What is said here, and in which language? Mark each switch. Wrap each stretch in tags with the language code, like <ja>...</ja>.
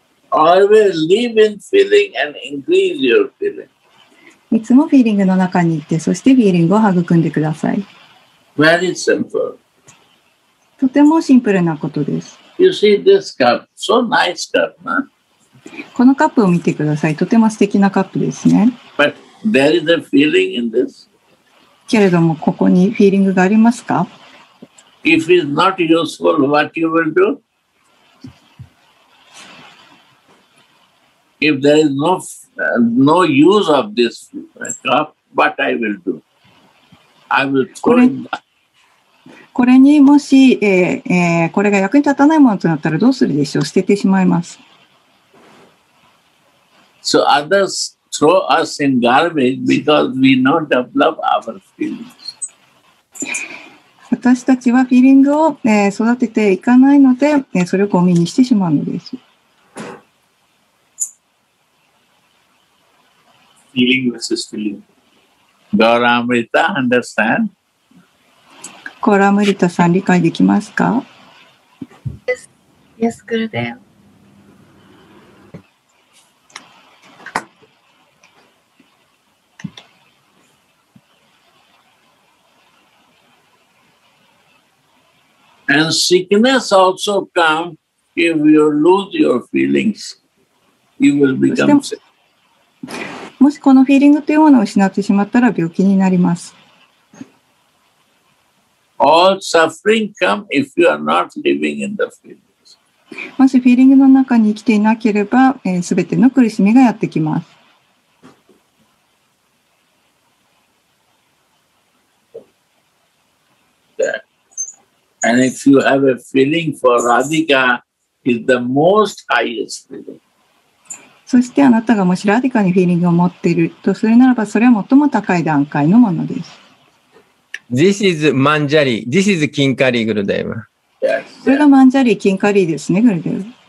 <en>Always live in feeling and increase your feeling.</en> <ja>いつもフィーリングの中にいて、そしてフィーリングを育んでください。</ja> <en>Very simple.</en> <ja>とてもシンプルなことです。</ja> <en>You see this cup. So nice cup, huh?</en> <ja>このカップを見てください。とても素敵なカップですね。</ja> <en>But there is a feeling in this.</en> <ja>けれども、ここにフィーリングがありますか?</ja> <en>If it's not useful, what you will do? If there is no use of this cup, what I will do? I will throw it down.</en> <ja>これにもし、これが役に立たないものとなったらどうするでしょう?捨ててしまいます。</ja> <en>So others throw us in garbage because we not develop our feelings.</en> <ja>私たちはフィーリングを育てていかないので、それをゴミにしてしまうのです。</ja> <en>Feeling versus feeling. Gaura Amrita, understand?</en> <ja>Gaura Amrita, さん、理解できますか?</ja> <en>Yes, yes, Gurudev. And sickness also come if you lose your feelings. You will become sick.</en> <ja>もしこのフィーリングというものを失ってしまったら病気になります。</ja> <en>All suffering come if you are not living in the feelings.</en> <ja>もしフィーリングの中に生きていなければ、すべての苦しみがやってきます。</ja> <en>And if you have a feeling for Radhika, it's the most highest feeling.</en> <ja>そしてあなたがもしラディカにフィーリングを持っているとするならば、それは最も高い段階のものです。</ja> <en>This is Manjari. This is Kinkari, Gurudev. Yes.</en> <ja>それがマンジャリ、キンカリですね、グルデブ。</ja>